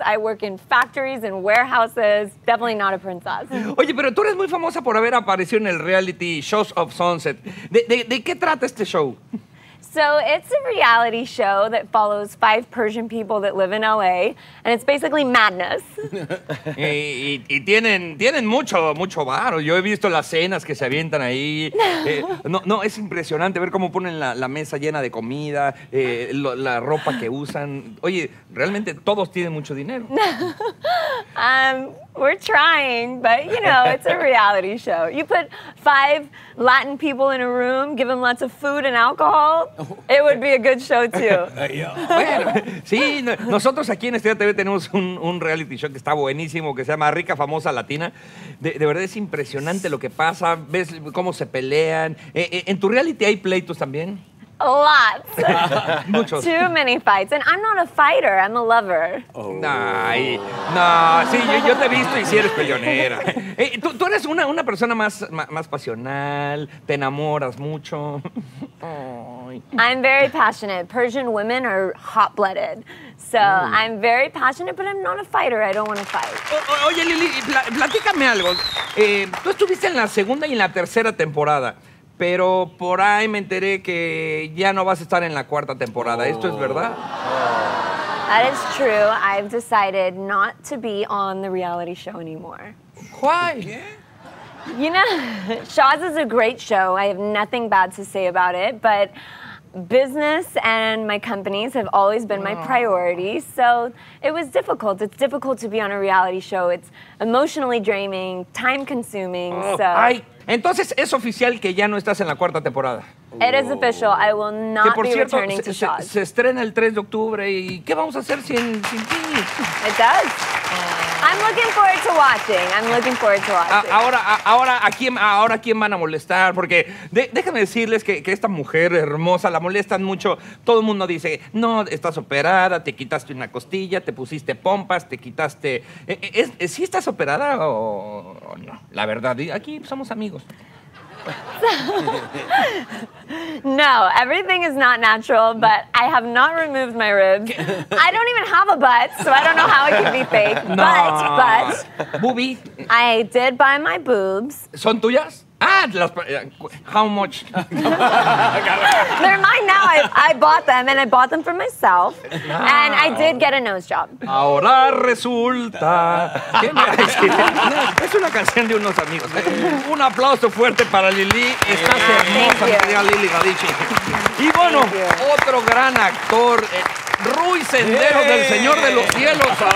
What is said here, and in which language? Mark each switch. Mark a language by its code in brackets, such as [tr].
[en] I work in factories and warehouses, definitely not a princess. [es] Oye, pero tú eres muy famosa por haber aparecido en el reality Shores of Sunset. ¿De qué trata este show? [en] So it's a reality show that follows five Persian people that live in LA, and it's basically madness. [es] y tienen mucho varo. Yo he visto las cenas que se avientan ahí. No, es impresionante ver cómo ponen la mesa llena de comida, la ropa que usan. Oye, realmente todos tienen mucho dinero. [en] We're trying, but you know, it's a reality show. You put five Latin people in a room, give them lots of food and alcohol, it would be a good show too. [es] Bueno, sí, nosotros aquí en Estrella TV tenemos un reality show que está buenísimo, que se llama Rica Famosa Latina. De verdad es impresionante lo que pasa, ves cómo se pelean. ¿En tu reality hay pleitos también? [en] Lots. [es] Muchos. [en] Too many fights. And I'm not a fighter, I'm a lover. Oh. [es] No, sí, yo te he visto y sí eres peleonera. Tú eres una persona más pasional, te enamoras mucho. [en] I'm very passionate. Persian women are hot-blooded. So I'm very passionate, but I'm not a fighter. I don't want to fight. [es] Oye, Lili, platícame algo. Tú estuviste en la segunda y en la tercera temporada. Pero por ahí me enteré que ya no vas a estar en la cuarta temporada. ¿Esto es verdad? [en] That is true. I've decided not to be on the reality show anymore. Why? You know, Shaws is a great show. I have nothing bad to say about it. But business and my companies have always been my priority. So it was difficult. It's difficult to be on a reality show. It's emotionally draining, time consuming. [es] Entonces, ¿es oficial que ya no estás en la cuarta temporada? [en] It is official. I will not be returning to Shaws. [es] Se estrena el 3 de octubre y ¿qué vamos a hacer sin ti? [en] It does. I'm looking forward to watching. [es] ¿A quién van a molestar? Porque déjenme decirles que esta mujer hermosa la molestan mucho. Todo el mundo dice, no, estás operada, te quitaste una costilla, te pusiste pompas, te quitaste... ¿Sí estás operada o no? La verdad, aquí somos amigos. [en] So, no, everything is not natural, but I have not removed my ribs. I don't even have a butt, so I don't know how it could be fake. No. But boobie. I did buy my boobs. [es] ¿Son tuyas? [en] Ah, how much? They're mine now. I bought them, and I bought them for myself. And I did get a nose job. [es] Ahora resulta. ¿Qué me es una canción de unos amigos. Un aplauso fuerte para Lili. Estás hermosa, querida Lili Galici. Y bueno, otro gran actor, Ruy Senderos, del Señor de los Cielos.